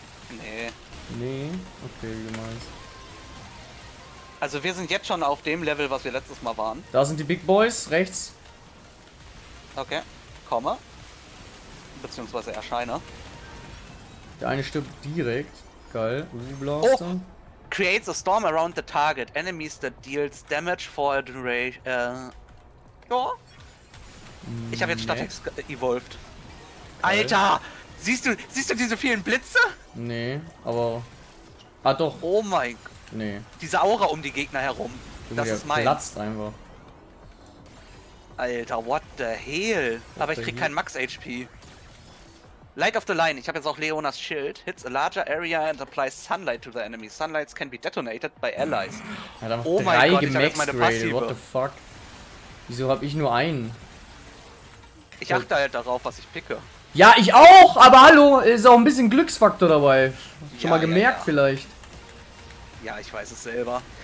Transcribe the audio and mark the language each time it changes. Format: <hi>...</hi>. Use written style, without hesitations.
<de>Nee. Nee? Okay, wie du meinst. Also wir sind jetzt schon auf dem Level, was wir letztes Mal waren. Da sind die Big Boys, rechts. Okay, komme. Beziehungsweise erscheine. Der eine stirbt direkt. Geil. Blaster. Oh!</de> <en>Creates a storm around the target. Enemies that deals damage for a duration.</en> <de>Ich habe jetzt Statex evolved. Geil. Alter! Siehst du diese vielen Blitze? Nee, aber... Ah doch. Oh mein Gott. Nee. Diese Aura um die Gegner herum. Das ist mein. Platzt einfach.</de> <en>Alter, what the hell?</en> <de>Aber ich krieg kein Max HP. Light of the Line. Ich habe jetzt auch Leonas Schild.</de> <en>Hits a larger area and applies sunlight to the enemy. Sunlights can be detonated by allies.</en> <de>Ja, oh mein Gott, ich habe jetzt meine Passive.</de> <en>What the fuck?</en> <de>Wieso habe ich nur einen? Ich achte halt darauf, was ich picke. Ja, ich auch. Aber hallo, ist auch ein bisschen Glücksfaktor dabei. Schon mal gemerkt vielleicht. Ja, ich weiß es selber.</de>